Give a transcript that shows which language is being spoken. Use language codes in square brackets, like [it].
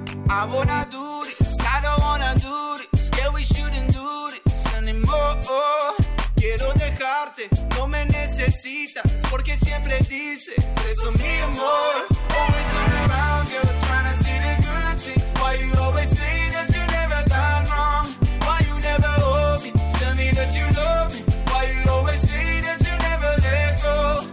[en] I wanna do this, I don't wanna do this, yeah, we shouldn't do this anymore. [es] Quiero dejarte, no me necesitas, porque siempre dices eso, mi amor. [en] Always on the ground, girl, trying to see the good thing. Why you always say that you never done wrong? Why you never hold me, tell me that you love me? Why you always say that you never let go?